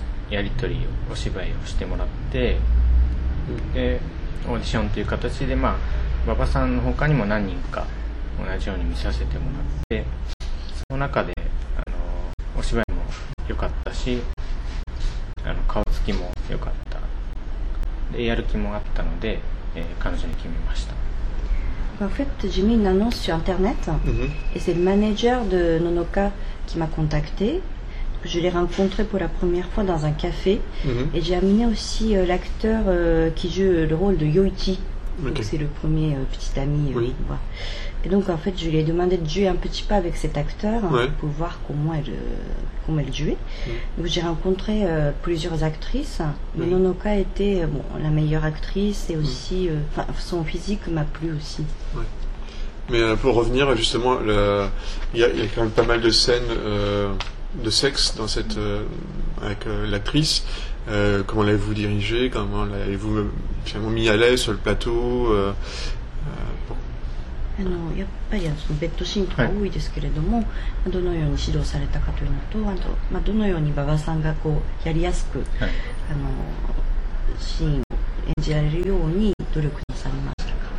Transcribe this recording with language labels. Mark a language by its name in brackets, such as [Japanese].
[Japanese] やり取りをお芝居をしてもらって、でオーディションという形で、馬場さんの他にも何人か同じように見させてもらって、その中でお芝居も良かったし、顔つきも良かった、でやる気もあったので、彼女に決めました。 [French] En fait, j'ai mis une annonce sur internet, et c'est le manager de Nonoka qui m'a contacté. je l'ai rencontré pour la première fois dans un café, mm-hmm. et j'ai amené aussi l'acteur qui joue le rôle de Yoichi. Okay. Donc c'est le premier petit ami. Oui. Voilà. Et donc en fait, je lui ai demandé de jouer un petit pas avec cet acteur, ouais. hein, pour voir comment elle jouait. Mm-hmm. Donc j'ai rencontré plusieurs actrices, mais mm-hmm. Nonoka était bon, la meilleure actrice et aussi mm-hmm. Son physique m'a plu aussi. Ouais. Mais pour revenir, justement, il y a quand même pas mal de scènes de sexe dans cette, avec l'actrice. Comment l'avez-vous dirigé? Comment l'avez-vous finalement mis à l'aise sur le plateau? [Japanese] のやっぱりそのベッドシーンとか多いですけれども、はい、どのように指導されたかというのと、あと、まあ、どのように馬場さんがこうやりやすく、はい、シーンを演じられるように努力なされましたか？